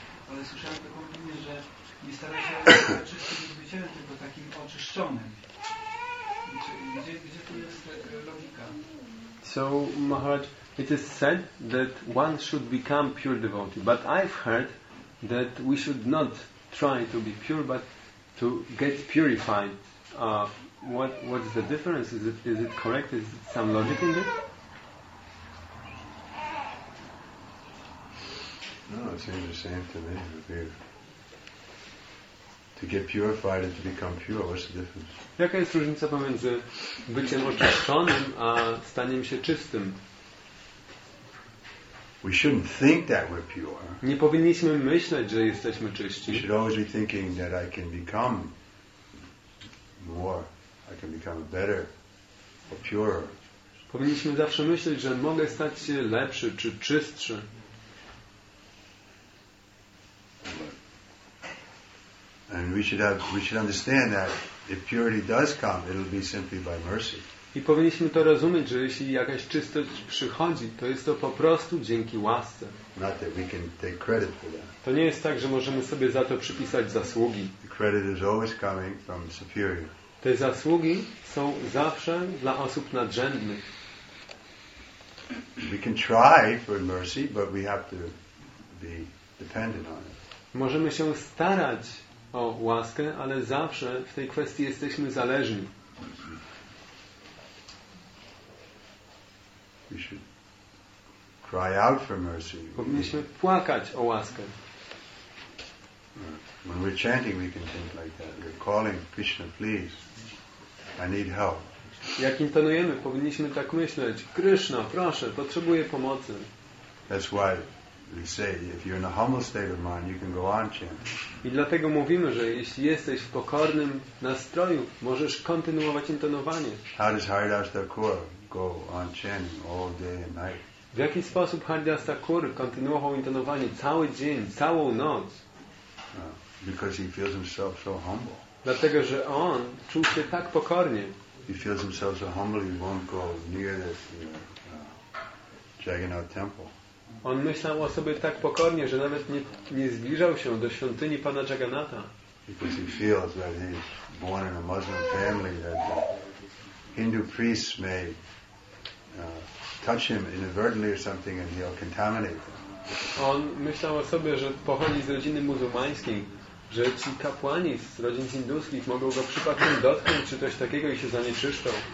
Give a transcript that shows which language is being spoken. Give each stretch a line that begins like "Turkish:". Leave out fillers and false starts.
Polish: Ale słyszałem taką opinię, że nie stara się zostać czystym wielbicielem, tylko takim oczyszczonym. Gdzie tu jest logika?
English: So, Maharaj, it is said that one should become pure devotee. But I've heard that we should not try to be pure, but to get purified. What's the difference? Is it correct? Is it some logic in this? No, it seems the same to me. To get purified and to become pure, what's the difference?
Polish: Jaka jest różnica pomiędzy byciem oczyszczonym a staniem się czystym?
English: We shouldn't think that we're pure.
Polish: Nie powinniśmy myśleć, że jesteśmy czyści.
English: We should always be thinking that I can become more. I can become better or purer.
Polish: Powinniśmy zawsze myśleć, że mogę stać się lepszy czy czystszy.
English: And we should understand that if purity does come, it'll be simply by mercy.
Polish: I powinniśmy to rozumieć, że jeśli jakaś czystość przychodzi, to jest to po prostu dzięki łasce.
English: Not that we can take credit for that.
Polish: To nie jest tak, że możemy sobie za to przypisać zasługi.
English: The credit is always coming from superior.
Polish: Te zasługi są zawsze dla osób nadrzędnych.
English: We can try for mercy, but we have to be dependent on it.
Polish: Możemy się starać o łaskę, ale zawsze w tej kwestii jesteśmy zależni.
English: We should cry out for mercy.
Polish: Powinniśmy płakać o łaskę.
English: When we're chanting, we can think like that. We're calling Krishna, please. I need help.
Polish: Jak intonujemy, powinniśmy tak myśleć. Krishna, proszę, potrzebuję pomocy.
English: That's why we say, if you're in a humble state of mind, you can go on chanting.
Polish: I dlatego mówimy, że jeśli jesteś w pokornym nastroju, możesz kontynuować intonowanie.
English: How does Haridas Thakur go on chanting all day and night?
Polish: W jaki sposób Haridas Thakur kontynuował intonowanie cały dzień, całą noc?
English: Because he feels himself so humble.
Polish: Dlatego, że on czuł się tak pokornie.
English: He feels himself so humble, he won't go near this Jagannath temple.
Polish: On myślał o sobie tak pokornie, że nawet nie zbliżał się do świątyni Pana Jagannatha.
English: Because he feels that he's born in a Muslim family, that the Hindu priests may touch him inadvertently or something and he'll contaminate them.
Polish: On myślał o sobie, że pochodzi z rodziny muzułmańskiej, że ci kapłani z rodzin hinduskich mogą go przypadkiem dotknąć czy coś takiego i się zanieczyszczą.